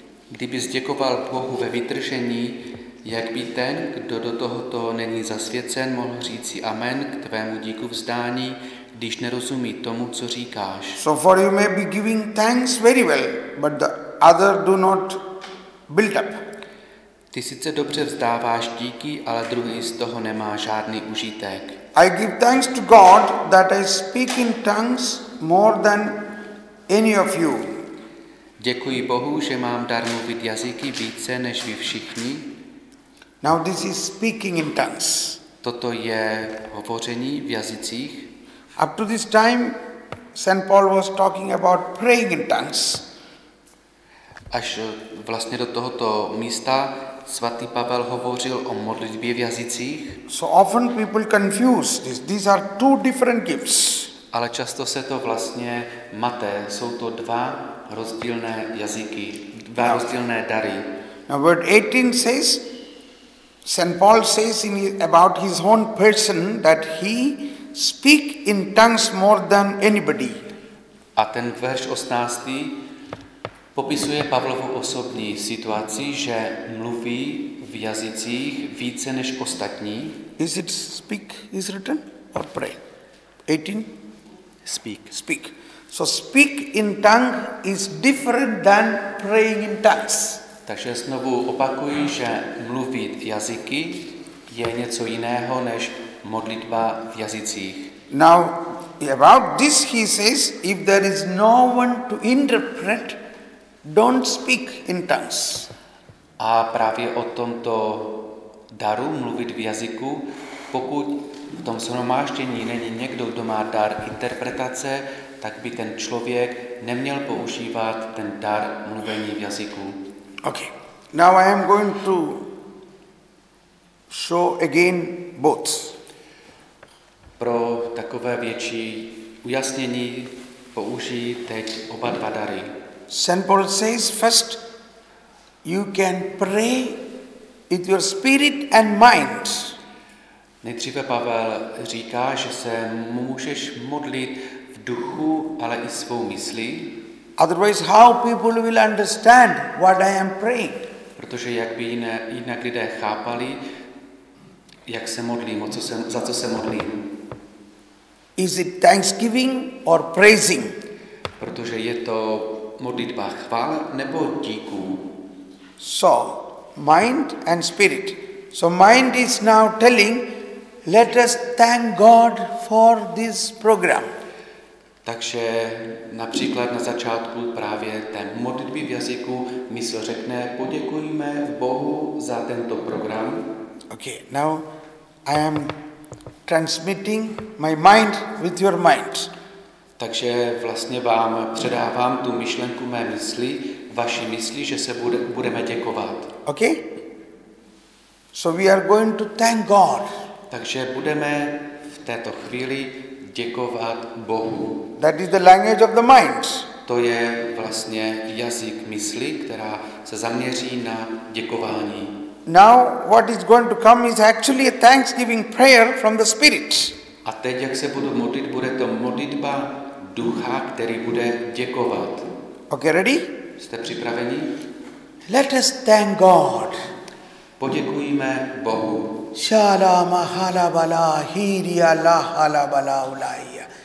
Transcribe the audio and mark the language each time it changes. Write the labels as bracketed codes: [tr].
[cs] Kdybys děkoval Bohu ve vytržení, jak by ten, kdo do tohoto není zasvěcen, mohl říci amen k tvému díku vzdání, když nerozumí tomu, co říkáš? [en] So for you may be giving thanks very well, but the other do not build up. [cs] Ty sice dobře vzdáváš díky, ale druhý z toho nemá žádný užitek. [en] I give thanks to God that I speak in tongues more than any of you. [cs] Děkuji Bohu, že mám dar mluvit jazyky více než vy všichni. [en] Now this is speaking in tongues. [cs] Toto je hovoření v jazycích. [en] Up to this time St. Paul was talking about praying in tongues. [cs] Až vlastně do tohoto místa svatý Pavel hovořil o modlitbě v jazycích. [en] So often people confuse this. These are two different gifts. [cs] Ale často se to vlastně mate, jsou to dva rozdílné dary. [en] Now verse 18 says St. Paul says in about his own person that he speak in tongues more than anybody. [cs] A ten verš 18. popisuje Pavlovu osobní situaci, že mluví v jazycích více než ostatní. [en] Is it speak is written or pray? 18? Speak. So speak in tongue is different than praying in tongues. [cs] Takže znovu opakuji, že mluvit v jazyky je něco jiného než modlitba v jazycích. [en] Now about this he says, if there is no one to interpret, don't speak in tongues. [cs] A právě o tomto daru mluvit v jazyku, pokud v tom shromáždění není někdo, kdo má dar interpretace, tak by ten člověk neměl používat ten dar mluvení v jazyku. [en] Okay. Now I am going to show again both. [cs] Pro takové větší ujasnění použij teď oba dva dary. [en] St. Paul says first you can pray with your spirit and mind. [cs] Nejdříve Pavel říká, že se můžeš modlit v duchu, ale i svou myslí. [en] Otherwise how people will understand what I am praying? [cs] Protože jak by jinak lidé chápali, jak se modlím, za co se modlím? [en] Is it thanksgiving or praising? [cs] Protože je to modlitba chvál nebo díků. [en] So, mind and spirit. So mind is now telling, let us thank God for this program. [cs] Takže například na začátku právě té modlitby v jazyku mysl řekne, poděkujeme Bohu za tento program. [en] Okay, now I am transmitting my mind with your mind. [cs] Takže vlastně vám předávám tu myšlenku mé mysli, vaší mysli, že se budeme děkovat. [en] Okay? So we are going to thank God. [cs] Takže budeme v této chvíli děkovat Bohu. [en] That is the language of the mind. [cs] To je vlastně jazyk mysli, která se zaměří na děkování. [en] Now what is going to come is actually a thanksgiving prayer from the spirit. [cs] A teď jak se budu modlit, bude to modlitba ducha, který bude děkovat. [en] Okay, ready? [cs] Jste připraveni? [en] Let us thank God. [cs] Poděkujeme Bohu. Shala mahala bala hiriya la hala bala ulaiya.